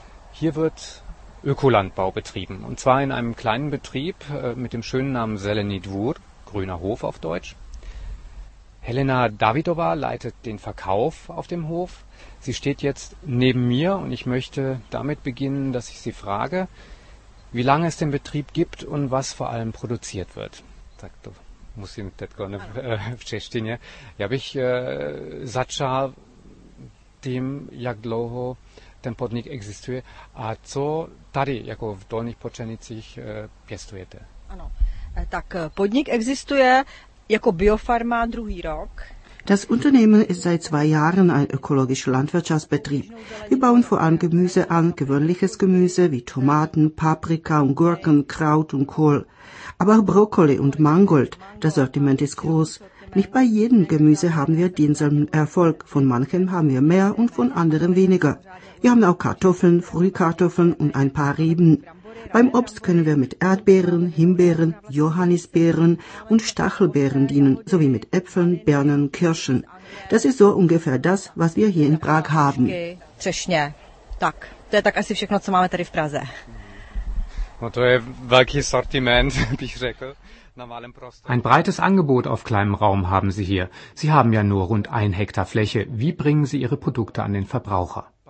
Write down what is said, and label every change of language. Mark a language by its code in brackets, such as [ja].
[de] Hier wird Ökolandbau betrieben und zwar in einem kleinen Betrieb mit dem schönen Namen Zelený Dvůr, grüner Hof auf Deutsch. Helena Davidová leitet den Verkauf auf dem Hof. Sie steht jetzt neben mir und ich möchte damit beginnen, dass ich sie frage, wie lange es den Betrieb gibt und was vor allem produziert wird. [cs] Tak to musím teď v češtině. Já bych začal tím, jak dlouho ten podnik existuje a co tady jako v Dolních Počernicích pěstujete. Ano. Tak podnik existuje jako biofarma druhý rok. [de] Das Unternehmen ist seit 2 Jahren ein ökologischer Landwirtschaftsbetrieb. Wir bauen vor allem Gemüse an, gewöhnliches Gemüse wie Tomaten, Paprika und Gurken, Kraut und Kohl. Aber auch Brokkoli und Mangold, das Sortiment ist groß. Nicht bei jedem Gemüse haben wir denselben Erfolg. Von manchen haben wir mehr und von anderen weniger. Wir haben auch Kartoffeln, Frühkartoffeln und ein paar Reben. Beim Obst können wir mit Erdbeeren, Himbeeren, Johannisbeeren und Stachelbeeren dienen, sowie mit Äpfeln, Birnen, Kirschen. Das ist so ungefähr das, was wir hier in Prag haben. [cs] Přesně. Tak, to je tak asi všechno, co máme tady v Praze. No, to je velký sortiment, bych řekl. [de] Ein breites Angebot auf kleinem Raum haben Sie hier. Sie haben ja nur rund 1 Hektar Fläche. Wie bringen Sie Ihre Produkte an den Verbraucher?